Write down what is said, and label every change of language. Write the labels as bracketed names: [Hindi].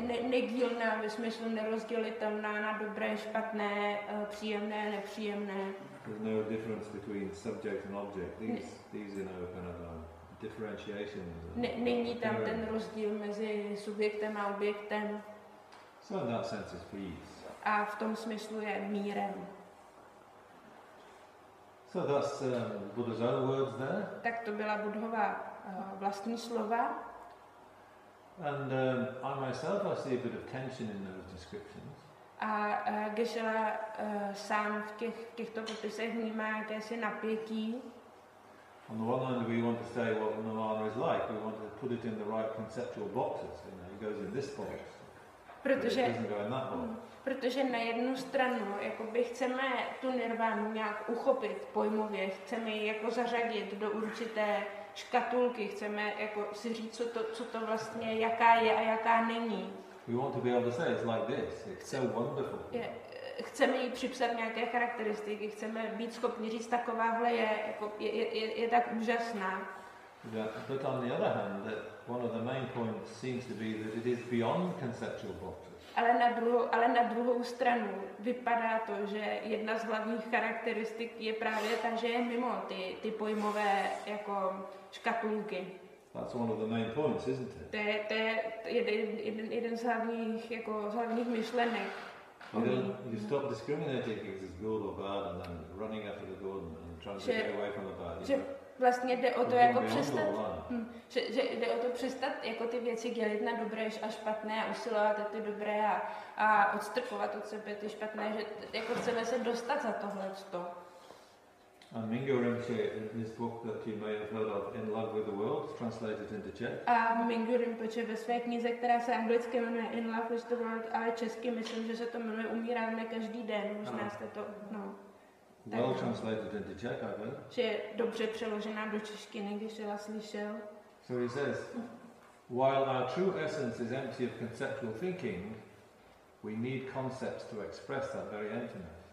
[Czech] Nedílná ve smyslu nerozdělitelná na dobré, špatné, příjemné, nepříjemné. [English] There's no difference between subject and object. These you know, kind of differentiation. [Czech] Není tam ten rozdíl mezi subjektem a objektem. [English] So in that sense is peace. [Czech] A v tom smyslu je mírem. [English] So that's Buddha's own words there. [Czech] Tak to byla Buddhova vlastní slova. [English] And I myself, I see a bit of tension in those descriptions. [Czech] A Geshe-la sám v těchto popisech vnímá jakési napětí. [English] On the one hand, we want to say what nirvana is like. We want to put it in the right conceptual boxes. You know, it goes in this box. [Czech] Protože, [English] but it doesn't go in that box. [Czech] Protože na jednu stranu, jakoby chceme tu nirvánu nějak uchopit pojmově, chceme ji jako zařadit do určité škatulky, chceme jako si říct, co to vlastně, jaká je a jaká není. [English] We want to be able to say it's like this. It's so wonderful. [Czech] Chceme jí připsat nějaké charakteristiky, chceme být schopni říct, takováhle je, jako je tak úžasná. [English] But on the other hand, that one of the main points seems to be that it is beyond conceptual boxes. [Czech] Ale na druhou stranu vypadá to, že jedna z hlavních charakteristik je právě ta, že je mimo ty pojmové jako škatulky. [English] That's one of the main points, isn't it? [Czech] To je jeden z hlavních jako hlavních myšlenek. [English] You stop discriminating if it's good or bad and then running after the good and trying to get away from the bad. [Czech] Vlastně jde o to jako přestat, že jde o to přestat jako ty věci dělit na dobré a špatné a usilovat ty dobré a odstrkovat od sebe ty špatné, že jako chceme se dostat za tohle to. [English] And Mingyo Rinpoche, in his book that you may have heard of, In Love with the World, translated into Czech. [Czech] A Mingyo Rinpoche ve své knize, která se anglicky jmenuje In Love with the World, ale česky myslím, že se to jmenuje Umíráme každý den, možná jste to, no. [English] Well translated into Czech, I think. [Czech] Že je dobře přeložená do češtiny, když jela slyšel. [English] So he says, while our true essence is empty of conceptual thinking, we need concepts to express that very emptiness.